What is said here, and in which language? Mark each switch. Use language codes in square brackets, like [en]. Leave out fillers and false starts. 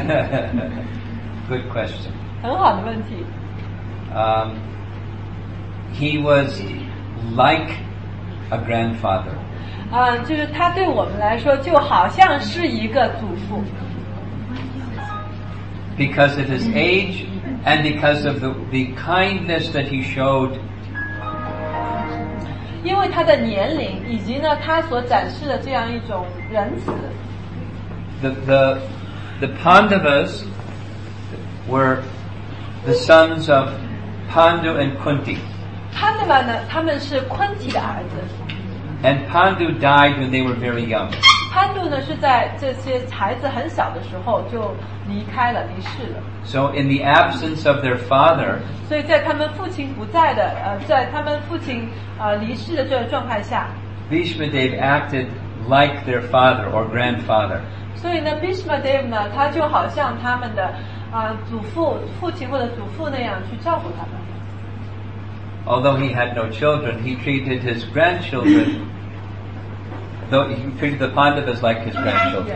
[en] Good question. [zh] 很好的问题。 [en] He was like a grandfather. [zh] 就是他对我们来说就好像是一个祖父。 [en] Because of his age. And because of the kindness that he showed, [zh] 因为他的年龄以及呢他所展示的这样一种仁慈 [en] the Pandavas were the sons of Pandu and Kunti. [zh] Pandava 呢，他们是 Kunti 的儿子。 [en] And Pandu died when they were very young. [zh] Pandu 呢是在这些孩子很小的时候就。离开了，离世了。 [en] So in the absence of their father, [zh] 所以在他们父亲不在的，在他们父亲离世的这个状态下 [en] ，Bhishma Dev acted like their father or grandfather. [zh] 所以呢 ，Bhishma Dev 呢，他就好像他们的祖父、父亲或者祖父那样去照顾他们。 [en] Although he had no children, he treated his grandchildren, though he treated the Pandavas like his grandchildren.